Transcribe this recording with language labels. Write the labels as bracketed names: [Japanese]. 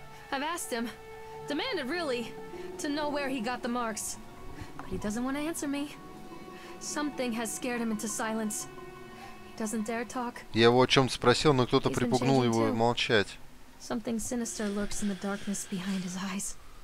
[English] I've asked him, demanded really, to know where he got the marks, but he doesn't want to answer me. Something has scared him into silence. Doesn't dare talk. [Russian] Я его о чем-то спросил, но кто-то припугнул его молчать. [English] Something sinister lurks in the darkness behind his eyes.